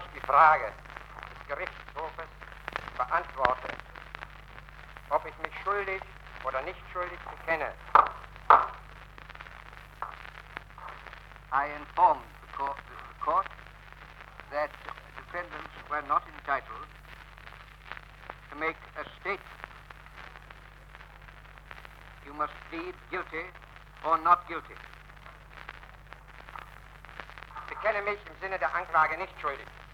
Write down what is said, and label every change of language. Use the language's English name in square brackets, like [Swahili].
[German] Frage des Gerichtshofes beantworte, ob ich mich schuldig oder nicht schuldig bekenne. [English] I informed the court that defendants were not entitled to make a statement. You must plead guilty or not guilty. [German] Bekenne mich im Sinne der Anklage nicht schuldig.